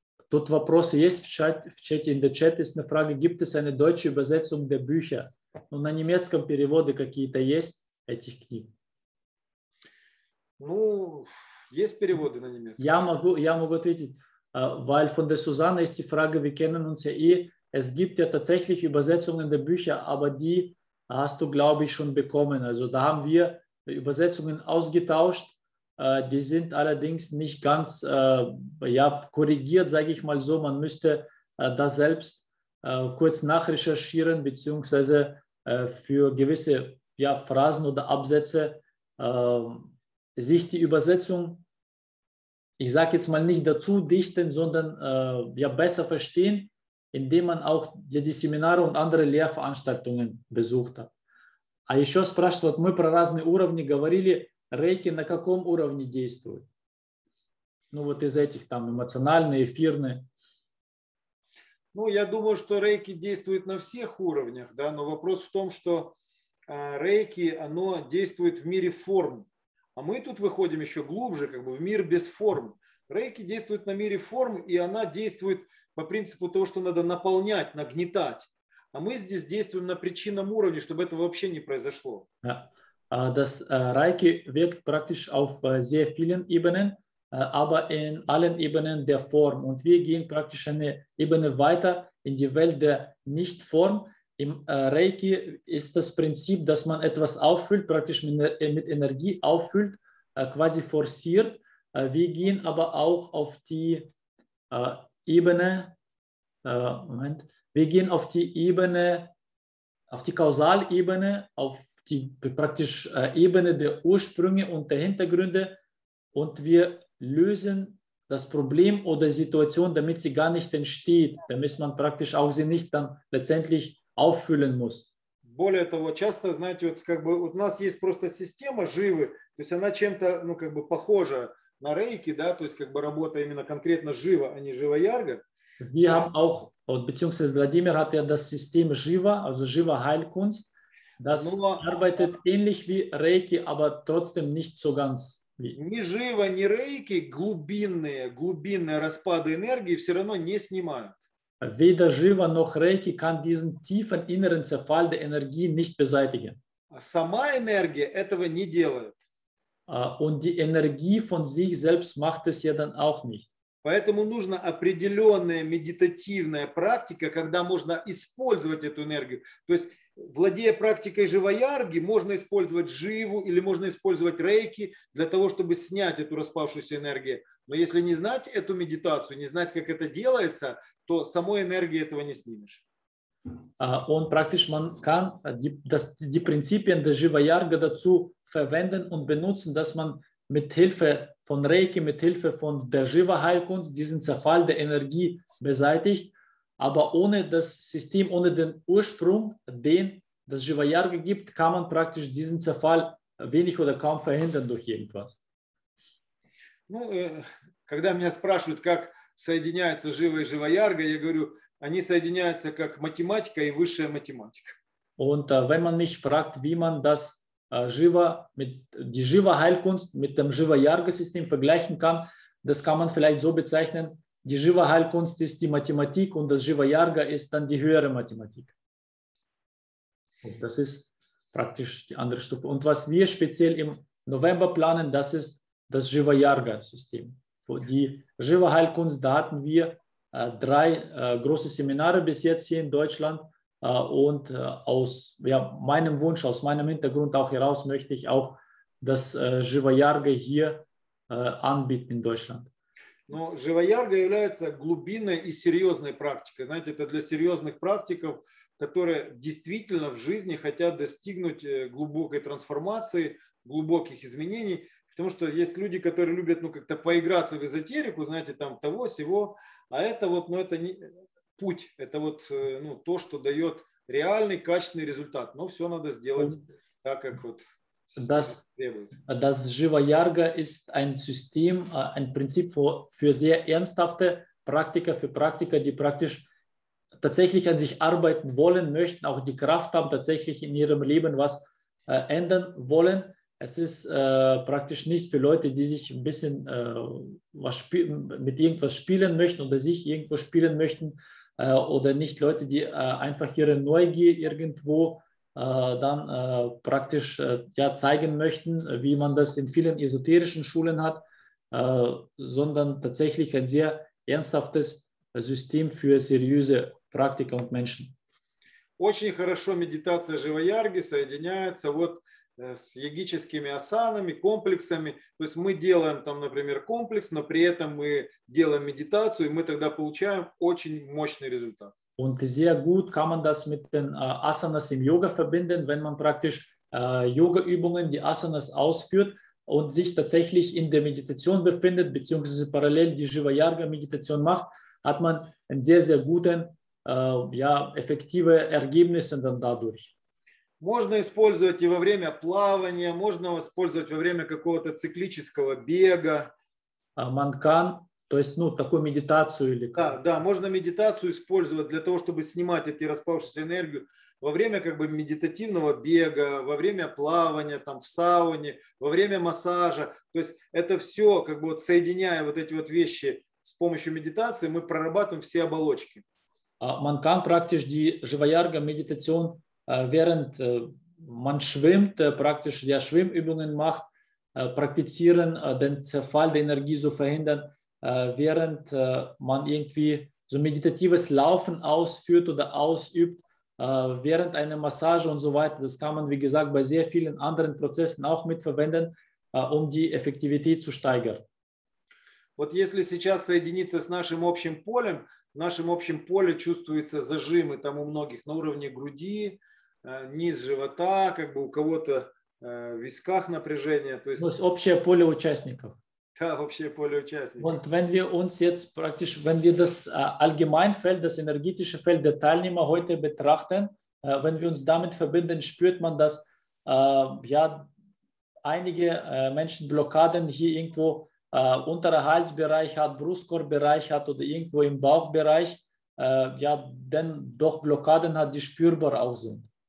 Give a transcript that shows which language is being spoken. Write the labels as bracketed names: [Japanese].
[Russian] Тут вопросы есть в чате, [English] in the chat [German] ist eine Frage, gibt es eine deutsche Übersetzung der Bücher? [Russian] Ну, на немецком переводы какие-то есть этих книг? Ну, есть переводы на немецком. Я могу ответить, [German] weil von der Susanne ist die Frage, wir kennen uns ja eh, Es gibt ja tatsächlich Übersetzungen der Bücher, aber die hast du, glaube ich, schon bekommen. Also da haben wir Übersetzungen ausgetauscht. Die sind allerdings nicht ganz ja, korrigiert, sage ich mal so. Man müsste das selbst kurz nachrecherchieren, beziehungsweise für gewisse ja, Phrasen oder Absätze sich die Übersetzung, ich sage jetzt mal nicht dazu dichten, sondern ja, besser verstehen, indem man auch die Seminare und andere Lehrveranstaltungen besucht hat. [Russian] А еще спрашивают, мы про разные уровни говорили, рейки на каком уровне действуют? Ну вот из этих там эмоциональные, эфирные. Ну я думаю, что рейки действует на всех уровнях, да, но вопрос в том, что рейки, оно действует в мире форм. А мы тут выходим еще глубже, как бы в мир без форм. Рейки действует на мире форм, и она действует по принципу того, что надо наполнять, нагнетать. А мы здесь действуем на причинном уровне, чтобы это вообще не произошло. [German] Ja. Das Reiki wirkt praktisch auf sehr vielen Ebenen, aber in allen Ebenen der Form. Und wir gehen praktisch eine Ebene weiter in die Welt der Nicht-Form. Im Reiki ist das Prinzip, dass man etwas auffüllt, praktisch mit Energie auffüllt, quasi forciert. Wir gehen aber auch auf die Ebene, Moment, wir gehen auf die Ebene, auf die Kausalebene, auf die praktisch Ebene der Ursprünge und der Hintergründe und wir lösen das Problem oder Situation, damit sie gar nicht entsteht, damit man praktisch auch sie nicht dann letztendlich auffüllen muss. [Russian] Более того, часто, знаете, вот как бы вот у нас есть просто система живы, то есть она чем-то, ну, как бы похожа на рейки, да, то есть как бы работа именно конкретно живо, а не живоярго. [German] Wir haben auch, beziehungsweise Wladimir hat ja das System Shiva, also Shiva Heilkunst, das arbeitet ähnlich wie Reiki, aber trotzdem nicht so ganz. [Russian] Ни Shiva, ни Reiki, глубинные распады энергии все равно не снимают. [German] Weder Shiva noch Reiki kann diesen tiefen inneren Zerfall der Energie nicht beseitigen. [Russian] Сама энергия этого не делает. [German] Und die Energie von sich selbst macht es ja dann auch nicht. [Russian] Поэтому нужна определенная медитативная практика, когда можно использовать эту энергию. То есть, владея практикой живоярги, можно использовать живу или можно использовать рейки для того, чтобы снять эту распавшуюся энергию. Но если не знать эту медитацию, не знать, как это делается, то самой энергии этого не снимешь. Он практически может использовать принципы живоярги для того, чтобы использовать, [German] mit Hilfe von Reiki, mit Hilfe von der Shiva-Heilkunst, diesen Zerfall der Energie beseitigt, aber ohne das System, ohne den Ursprung, den das Shiva-Yarga gibt, kann man praktisch diesen Zerfall wenig oder kaum verhindern durch irgendwas. [Russian] Ну, когда меня спрашивают, как соединяются Shiva и Shiva-Yarga, я говорю, они соединяются как математика и высшая математика. [German] Und wenn man mich fragt, wie man das Shiva, mit, die Shiva-Heilkunst mit dem Shiva-Yarga-System vergleichen kann, das kann man vielleicht so bezeichnen, die Shiva-Heilkunst ist die Mathematik und das Shiva-Yarga ist dann die höhere Mathematik. Und das ist praktisch die andere Stufe. Und was wir speziell im November planen, das ist das Shiva-Yarga-System. Für die Shiva-Heilkunst, da hatten wir drei große Seminare bis jetzt hier in Deutschland. Und aus ja, meinem Wunsch, aus meinem Hintergrund auch heraus, möchte ich auch das Shiva-Yarga hier anbieten in Deutschland. [Russian] Но Shiva-Yarga является глубинной и серьезной практикой. Знаете, это для серьезных практиков, которые действительно в жизни хотят достигнуть глубокой трансформации, глубоких изменений. Потому что есть люди, которые любят ну, как-то поиграться в эзотерику, знаете, там того, сего. А это вот, ну это не... Путь – это вот ну, то, что дает реальный, качественный результат. Но все надо сделать так, как вот [German] das, [Russian] требует. [German] Das Shiva-Yarga ist ein System, ein Prinzip für sehr ernsthafte Praktiker, für Praktiker, die praktisch tatsächlich an sich arbeiten wollen, möchten, auch die Kraft haben, tatsächlich in ihrem Leben was ändern wollen. Es ist praktisch nicht für Leute, die sich ein bisschen mit irgendwas spielen möchten oder sich irgendwo spielen möchten oder nicht Leute, die einfach ihre Neugier irgendwo dann praktisch ja, zeigen möchten, wie man das in vielen esoterischen Schulen hat, sondern tatsächlich ein sehr ernsthaftes System für seriöse Praktiken und Menschen. [Russian] Очень хорошо медитация Живаярги соединяется вот с йогическими асанами, комплексами. То есть мы делаем там, например, комплекс, но при этом мы делаем медитацию, и мы тогда получаем очень мощный результат. [German] Und sehr gut kann man das mit den Asanas im Yoga verbinden, wenn man praktisch Yoga-Übungen, die Asanas ausführt und sich tatsächlich in der Meditation befindet, beziehungsweise parallel die Jiva-Yarga-Meditation macht, hat man einen sehr, sehr guten, effektive Ergebnisse dann dadurch. [Russian] Можно использовать и во время плавания, можно использовать во время какого-то циклического бега. [German] Man kann, [Russian] то есть, ну, такую медитацию или как? Да, можно медитацию использовать для того, чтобы снимать эти распавшуюся энергию во время как бы медитативного бега, во время плавания, там, в сауне, во время массажа. То есть это все, как бы вот соединяя вот эти вот вещи с помощью медитации, мы прорабатываем все оболочки. [German] Man kann praktisch die Jiva-Yarga Meditation während man schwimmt, praktisch die Schwimmübungen macht, praktizieren, den Zerfall der Energie zu verhindern, während man irgendwie so meditatives Laufen ausführt oder ausübt, während einer Massage und so weiter. Das kann man, wie gesagt, bei sehr vielen anderen Prozessen auch mitverwenden, um die Effektivität zu steigern. [Russian] Вот если сейчас соединиться с нашим общим полем, в нашем общем поле чувствуются зажимы там у многих на уровне груди, низ живота, как бы у кого-то в висках напряжение. То есть... Ну, общее поле участников. Да, общее поле участников. [German] Und wenn wir uns jetzt praktisch, wenn wir das Allgemeinfeld, das energetische Feld der Teilnehmer heute betrachten, wenn wir uns damit verbinden, spürt man, dass einige Menschen Blockaden hier irgendwo unterer Halsbereich hat, Brustkorbbereich hat oder irgendwo im Bauchbereich, denn doch Blockaden hat, die spürbar auch sind.